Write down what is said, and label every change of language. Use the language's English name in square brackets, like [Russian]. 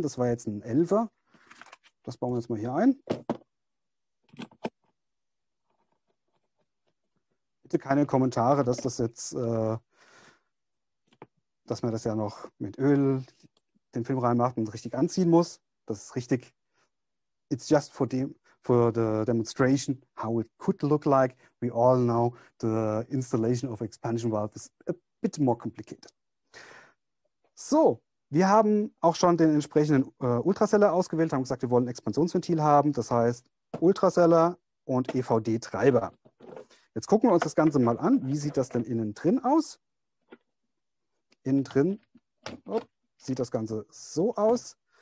[German] Das war jetzt ein 11er. Das bauen wir jetzt mal hier ein. Bitte keine Kommentare, dass das jetzt, dass man das ja noch mit Öl den Film reinmacht und richtig anziehen muss. Das ist richtig. [English] It's just for the, demonstration how it could look like. We all know the installation of expansion valve is a bit more complicated. [German] So, wir haben auch schon den entsprechenden Ultraseller ausgewählt, haben gesagt, wir wollen ein Expansionsventil haben, das heißt Ultraseller und EVD-Treiber. Jetzt gucken wir uns das Ganze mal an. Wie sieht das denn innen drin aus? Innen drin sieht das Ganze so aus.